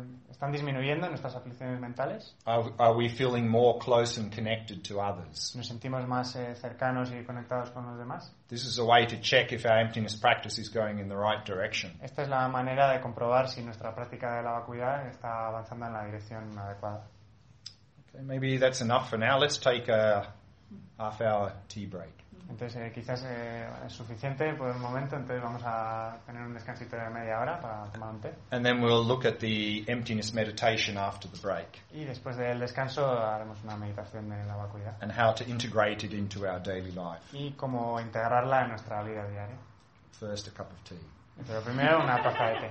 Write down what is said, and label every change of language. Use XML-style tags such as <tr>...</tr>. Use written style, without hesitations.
<es>¿Están disminuyendo nuestras aflicciones mentales?</es> <en>Are we feeling more close and connected to others?</en> <es>¿Nos sentimos más cercanos y conectados con los demás?</es> <en>This is a way to check if our emptiness practice is going in the right direction.</en> <es>Esta es la manera de comprobar si nuestra práctica de la vacuidad está avanzando en la dirección adecuada.</es> <en>Okay, maybe that's enough for now. Let's take a half hour tea break.</en> <es>Entonces quizás es suficiente por el momento, entonces vamos a tener un descansito de media hora para tomar un té.</es> <en>And then we'll look at the emptiness meditation after the break.</en> <es>Y después del descanso haremos una meditación de la vacuidad.</es> <en>And how to integrate it into our daily life.</en> <es>Y cómo integrarla en nuestra vida diaria.</es> <en>First a cup of tea.</en> <es>Pero primero una taza de té.</es>